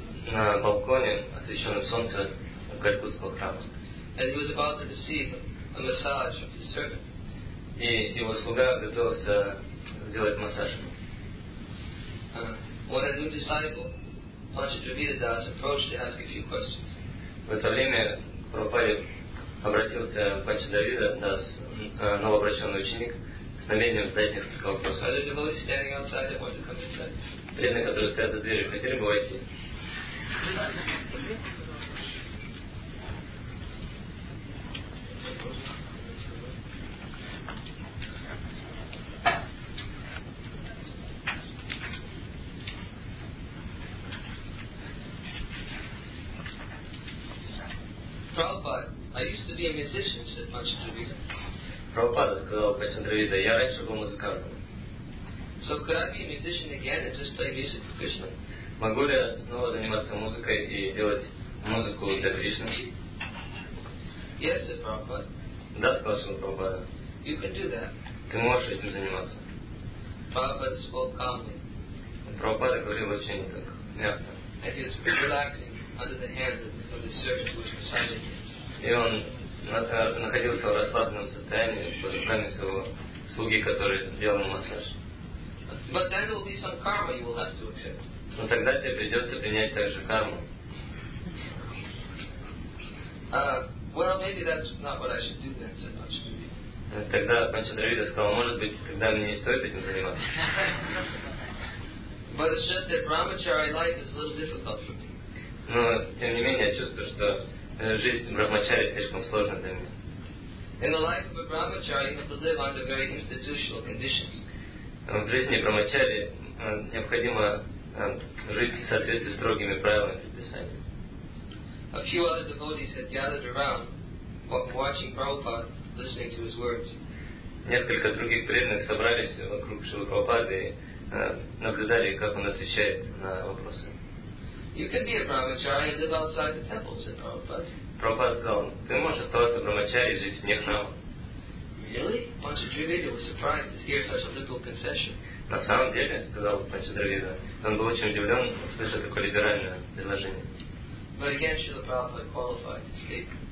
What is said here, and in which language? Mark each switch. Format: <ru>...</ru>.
<ru>На балконе, освещенном солнцем, в Калькутском храме.</ru> <en>And he was about to receive a massage of his servant.</en> <ru>И его слуга готовился сделать массаж ему.</ru> <en>When a new disciple, Panchadravida Das, approached to ask a few questions.</en> <ru>В это время Прабхупада обратился к Панчадравида Дас, новообращенный ученик, с намерением задать несколько вопросов.</ru> <en>Are the devotees standing outside and want to come inside?</en> <ru>Преданные, которые стоят за дверью, хотели бы войти?</ru> <en>Prabhupada, I used to be a musician, said Panchadravida.</en> <ru>Prabhupada сказал Панчадравида, я раньше был музыкантом.</ru> <en>So could I be a musician again and just play music for Krishna?</en> <ru>Могу ли я снова заниматься музыкой и делать музыку для Кришны?</ru> <en>Yes, said Prabhupada.</en> <ru>Да, сказал Прабхупада.</ru> <en>You can do that.</en> <ru>Ты можешь этим заниматься.</ru> <en>Prabhupada spoke calmly.</en> <ru>Прабхупада говорил очень так, мягко.</ru> <en>And he was relaxing under the hands of his servant who was beside him.</en> <ru>И он находился в расслабленном состоянии под руками своего слуги, который делал массаж.</ru> <en>But then there will be some karma you will have to accept.</en> <ru>Но тогда тебе придется принять также карму.</ru> <en>Well, maybe that's not what I should do then, said Panchadravida.</en> <ru>Тогда Панчадравида сказал, может быть, тогда мне не стоит этим заниматься.</ru> <en>But it's just that brahmachari life is a little difficult for me.</en> <ru>Но, тем не менее, я чувствую, что жизнь брахмачари слишком сложна для меня.</ru> <en>In the life of a brahmachari, you have to live under very institutional conditions.</en> <ru>В жизни брахмачари необходимо жить в соответствии с строгими правилами предписания.</ru> <en>A few other devotees had gathered around, watching Prabhupada, listening to his words.</en> <ru>Несколько других преданных собрались вокруг Шрилы Прабхупады и наблюдали, как он отвечает на вопросы.</ru> <en>You can be a brahmachari and live outside the temple, said Prabhupada.</en> <ru>Прабхупада сказал, ты можешь оставаться брахмачари и жить вне храма.</ru> <en>Really? Panchadravida was surprised to hear such a liberal concession.</en> <ru>На самом деле, сказал Панчадравида, он был очень удивлен, услышав такое либеральное предложение.</ru> <en>But again, Srila Prabhupada qualified his statement.</en>